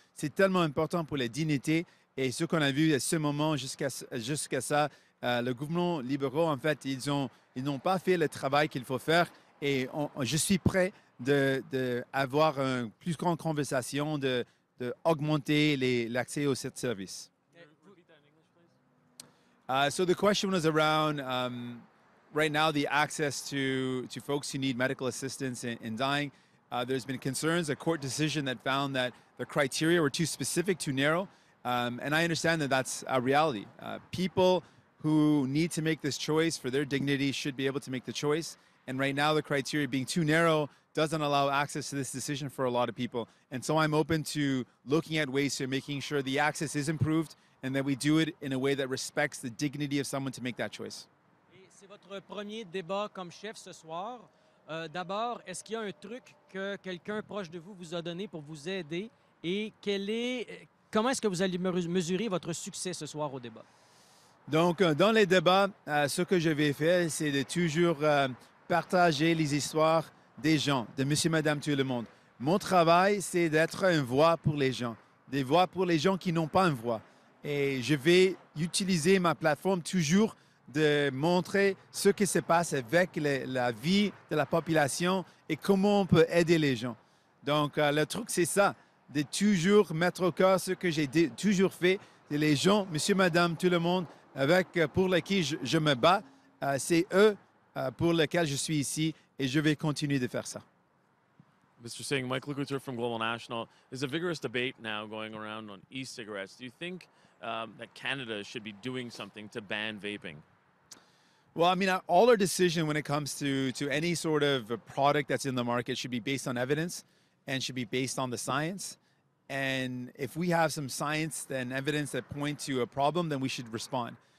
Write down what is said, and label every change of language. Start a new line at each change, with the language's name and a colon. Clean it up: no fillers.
French: C'est tellement important pour la dignité. Et ce qu'on a vu à ce moment jusqu'à ça, le gouvernement libéral, en fait, ils n'ont pas fait le travail qu'il faut faire. Et je suis prêt de avoir une plus grande conversation, de augmenter l'accès aux services.
English: So the question was around right now the access to folks who need medical assistance in dying. There's been concerns, a court decision that found that the criteria were too specific, too narrow. And I understand that that's a reality. People who need to make this choice for their dignity should be able to make the choice. And right now, the criteria being too narrow doesn't allow access to this decision for a lot of people. And so I'm open to looking at ways to making sure the access is improved and that we do it in a way that respects the dignity of someone to make that choice.
French: Et c'est votre premier débat comme chef ce soir. D'abord, est-ce qu'il y a un truc que quelqu'un proche de vous vous a donné pour vous aider? Et quel est... Comment est-ce que vous allez mesurer votre succès ce soir au débat? Donc, dans les débats, ce que je vais faire, c'est de toujours partager les histoires des gens, de monsieur, madame, tout le monde. Mon travail, c'est d'être une voix pour les gens, des voix pour les gens qui n'ont pas une voix. Et je vais utiliser ma plateforme toujours de montrer ce qui se passe avec la vie de la population et comment on peut aider les gens. Donc, le truc, c'est ça. De toujours mettre au cœur ce que j'ai toujours fait. Et les gens, monsieur, madame, tout le monde, avec, pour lesquels je me bats, c'est eux pour lesquels je suis ici et je vais continuer de faire ça.
English: Mr. Singh, Michael Couture from Global National. There's a vigorous debate now going around on e-cigarettes. Do you think that Canada should be doing something to ban vaping? Well, I mean, all our decision when it comes to any sort of product that's in the market should be based on evidence. And should be based on the science. And if we have some science and evidence that point to a problem, then we should respond.